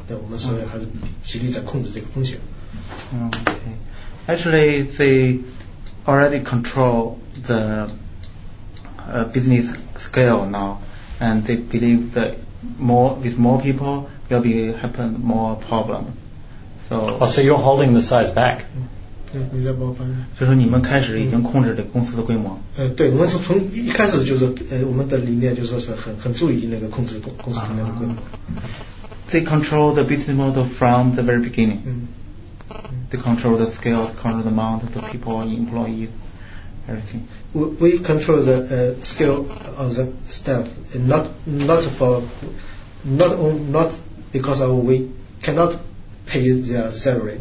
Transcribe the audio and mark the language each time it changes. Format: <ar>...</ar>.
<zh>但我们说还是极力在控制这个风险。</zh> <en>Actually, they already control the business scale now, and they believe that with more people will be happen more problem. So you're holding the size back.</en> <zh>你再帮我翻译。就是你们开始已经控制了公司的规模。对，我们是从一开始就是我们的理念就是说是很注意那个控制公司里面的规模。</zh> <en>They control the business model from the very beginning. They control the scale, control the amount, the people, employees, everything. We control the scale of the staff, not because of we cannot pay their salary.</en>